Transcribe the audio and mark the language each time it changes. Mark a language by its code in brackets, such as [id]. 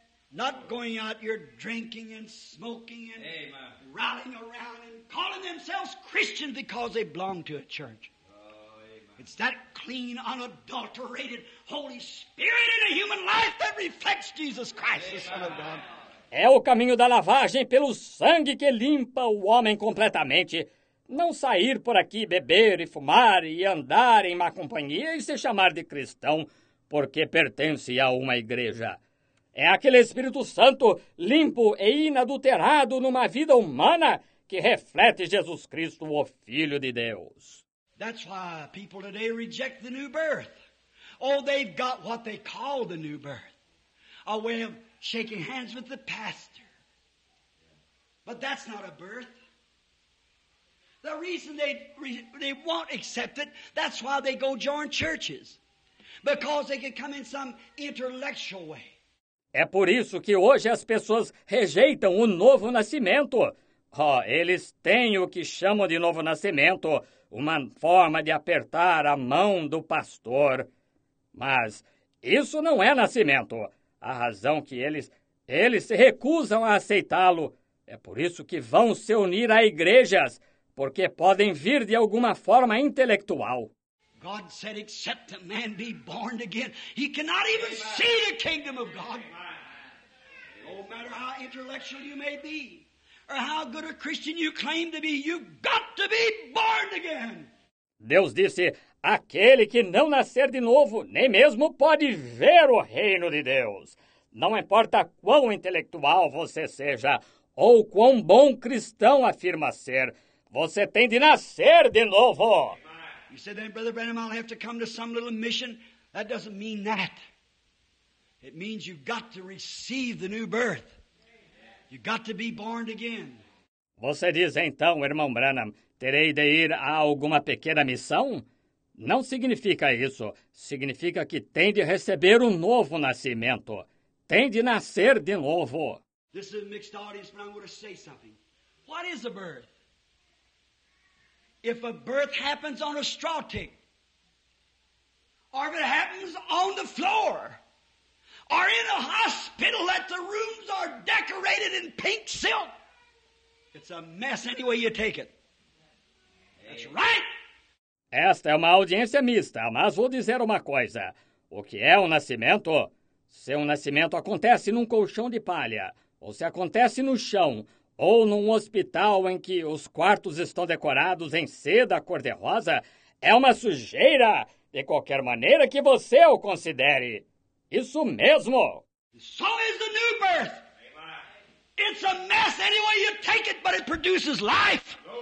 [en] Not going out here drinking and smoking and rallying around and calling themselves Christians because they belong to a church. It's that clean, unadulterated Holy Spirit in a human life that reflects Jesus Christ, the Son of God. [pt] É o caminho da lavagem pelo sangue que limpa o homem completamente. Não sair por aqui beber e fumar e andar em má companhia e se chamar de cristão porque pertence a uma igreja. É aquele Espírito Santo limpo e inadulterado numa vida humana que reflete Jesus Cristo, o Filho de Deus. [en] That's why people today reject the new birth. Oh, they've got what they call the new birth. A way of shaking hands with the pastor. But that's not a birth. The reason they won't accept it, that's why they go join churches. Because they can come in some intellectual way. [pt] É por isso que hoje as pessoas rejeitam o novo nascimento. Oh, eles têm o que chamam de novo nascimento, uma forma de apertar a mão do pastor. Mas isso não é nascimento. A razão que eles se recusam a aceitá-lo. É por isso que vão se unir a igrejas, porque podem vir de alguma forma intelectual. [en] God said, except a man be born again, he cannot even see the kingdom of God. No matter how intellectual you may be, or how good a Christian you claim to be, you've got to be born again. [pt] Deus disse, aquele que não nascer de novo, nem mesmo pode ver o reino de Deus. Não importa quão intelectual você seja, ou quão bom cristão afirma ser, você tem de nascer de novo. [en] You said then, Brother Branham, I'll have to come to some little mission. That doesn't mean that. It means you've got to receive the new birth. You've got to be born again. [pt] Você diz então, irmão Branham, terei de ir a alguma pequena missão? Não significa isso. Significa que tem de receber um novo nascimento. Tem de nascer de novo. [en] This is a mixed audience, but I'm going to say something. What is a birth? If a birth happens on a straw tick, or if it happens on the floor, or in a hospital that the rooms are decorated in pink silk, it's a mess any way you take it. That's right! [pt] Esta é uma audiência mista, mas vou dizer uma coisa. O que é um nascimento? Se um nascimento acontece num colchão de palha, ou se acontece no chão, ou num hospital em que os quartos estão decorados em seda cor-de-rosa, é uma sujeira, de qualquer maneira que você o considere. Isso mesmo! [en] So is the new birth! It's a mess any way you take it, but it produces life!